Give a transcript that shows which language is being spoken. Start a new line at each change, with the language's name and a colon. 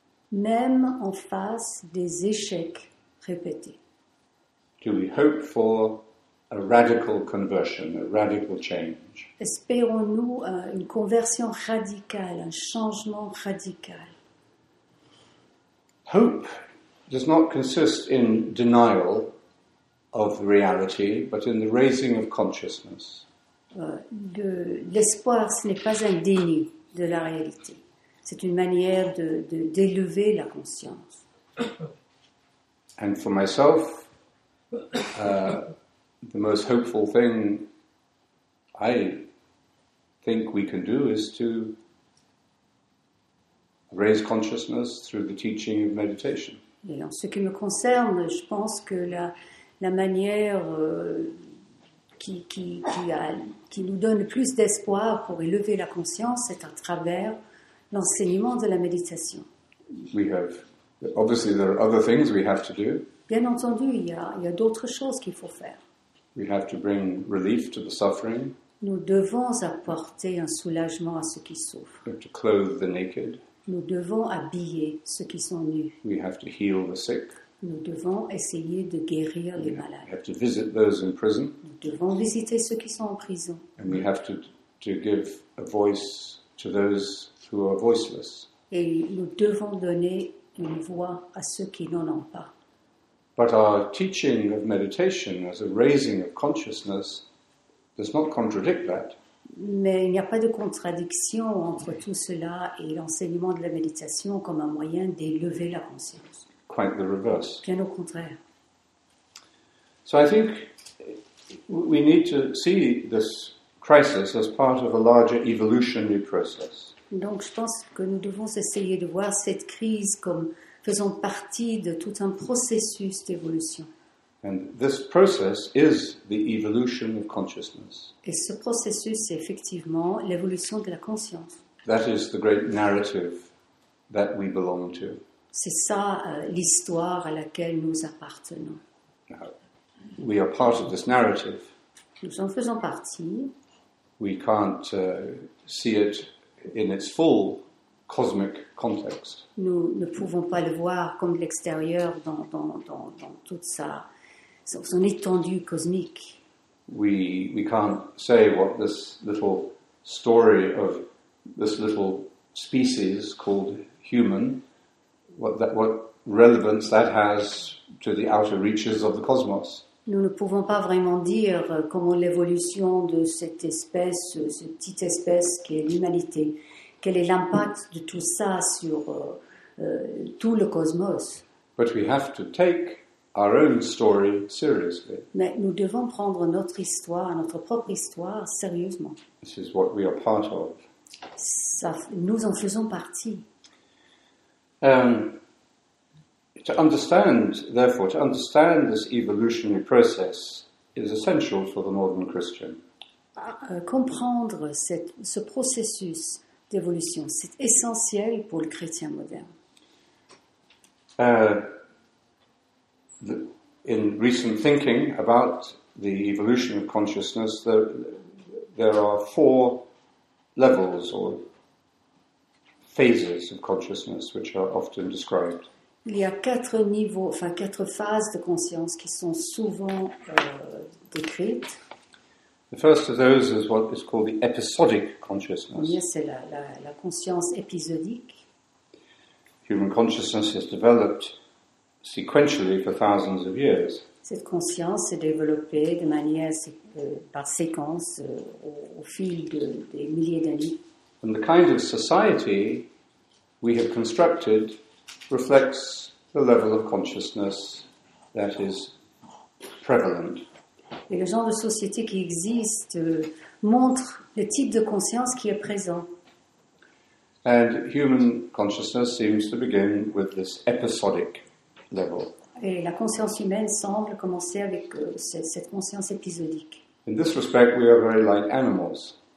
French: Même en face des échecs répétés.
English: Do we hope for a radical conversion, a radical change?
French: Espérons-nous une conversion radicale, un changement radical?
English: Hope does not consist in denial of reality, but in the raising of consciousness.
French: L'espoir, ce n'est pas un déni de la réalité. C'est une manière d'élever la conscience.
English: And for myself, the most hopeful thing I think we can do is to raise consciousness through the teaching of meditation.
French: Et en ce qui me concerne, je pense que la manière qui nous donne le plus d'espoir pour élever la conscience est à travers l'enseignement de la méditation.
English: We have, obviously there are other things we have to do.
French: Bien entendu, il y a d'autres choses qu'il faut faire.
English: We have to bring relief to the suffering.
French: Nous devons apporter un soulagement à ceux qui souffrent.
English: We have to clothe the naked.
French: Nous devons habiller ceux qui sont nus.
English: We have to heal the sick.
French: Nous devons essayer de guérir les malades.
English: We have to visit those in prison.
French: Nous devons visiter ceux qui sont en prison.
English: And we have to give a voice to those who are voiceless.
French: Et nous devons donner une voix à ceux qui n'en ont pas.
English: But our teaching of meditation as a raising of consciousness does not contradict that.
French: Mais il n'y a pas de contradiction entre tout cela et l'enseignement de la méditation comme un moyen d'élever la conscience.
English: Quite the reverse.
French: Bien au contraire.
English: So I think we need to see this crisis as part of a larger evolutionary process.
French: Donc je pense que nous devons essayer de voir cette crise comme faisant partie de tout un processus d'évolution.
English: And this process is the evolution of consciousness.
French: Et ce processus est effectivement l'évolution de la conscience.
English: That is the great narrative that we belong to.
French: C'est ça l'histoire à laquelle nous appartenons.
English: Now, we are part of this narrative.
French: Nous en faisons partie.
English: We can't see it in its full cosmic context.
French: Nous ne pouvons pas le voir comme de l'extérieur dans toute son étendue cosmique.
English: We can't say what this little story of this little species called human, what relevance that has to the outer reaches of the cosmos.
French: Nous ne pouvons pas vraiment dire comment l'évolution de cette espèce, cette petite espèce qui est l'humanité, quel est l'impact de tout ça sur tout le cosmos.
English: But we have to take our own story seriously.
French: Mais nous devons prendre notre histoire, notre propre histoire, sérieusement.
English: This is what we are part of.
French: Ça, nous en faisons partie.
English: To understand, therefore, to understand this evolutionary process is essential for the modern Christian.
French: Comprendre ce processus d'évolution, c'est essentiel pour le chrétien moderne.
English: In recent thinking about the evolution of consciousness, there are four levels or phases of consciousness which are often described.
French: Il y a quatre niveaux, enfin quatre phases de conscience qui sont souvent décrites.
English: The first of those is what is called the episodic consciousness.
French: Oui, c'est la conscience épisodique.
English: Human consciousness has developed sequentially for thousands of years.
French: Cette conscience s'est développée de manière par séquence au fil des milliers d'années.
English: And the kind of society we have constructed reflects the level of consciousness that is prevalent.
French: Et le genre de société qui existe montre le type de conscience qui est présent.
English: And human consciousness seems to begin with this episodic level.
French: Et la conscience humaine semble commencer avec cette conscience épisodique.
English: In this respect, we are very like animals.